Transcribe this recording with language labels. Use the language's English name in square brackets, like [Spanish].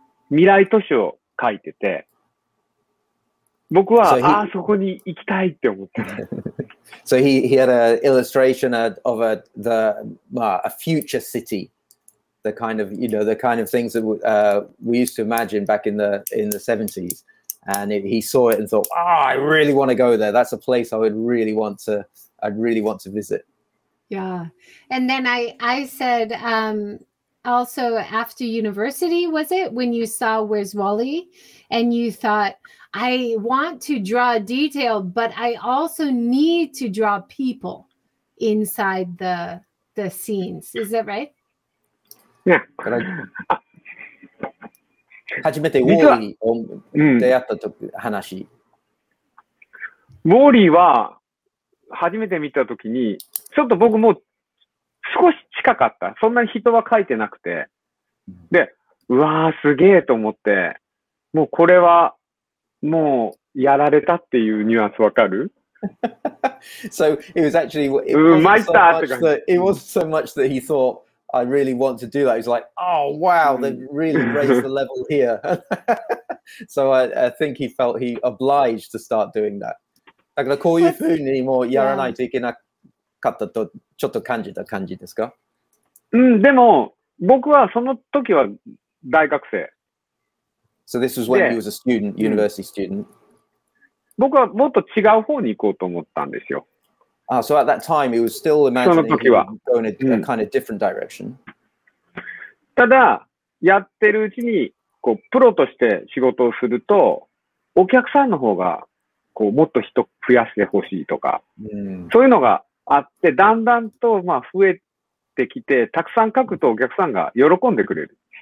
[Japanese] 未来都市を書いてて、僕は、so、ああそこに行きたいって思って [English] so he had an illustration of a future city, the kind of, you know, the kind of things that we used to imagine back in the 70s. And he saw it and thought, I really want to go there. That's a place I'd really want to visit. Yeah. And then I said, also after university, was it when you saw Where's Wally and you thought, I want to draw detail, but I also need to draw people inside the scenes. Is that right? Yeah. [Japanese] 初めてウォーリーを出会ったとき、話。ウォーリーは初めて見たときに、ちょっと僕も少し近かった。そんなに人は描いてなくて。で、うわー、すげーと思って、もうこれは、もうやられたっていうニュアンスわかる [English] So it was actually it wasn't so much that he thought I really want to do that. He's like, oh wow, they really raised the level here. So I think he felt he obliged to start doing that. [Japanese] だからこういうふうにもやらないといけなかったとちょっと感じた感じですか、でも僕はその時は大学生。 [English] So this was when he was a student, university student. [Japanese] 僕はもっと違う方に行こうと思ったんですよ。 [English] So at that time, he was still imagining he was going in a kind of different direction. [Japanese] ただ、やってるうちにこうプロとして仕事をすると、お客さんの方がこうもっと人増やしてほしいとか、そういうのがあって、だんだんとまあ増えてきて、たくさん書くとお客さんが喜んでくれる。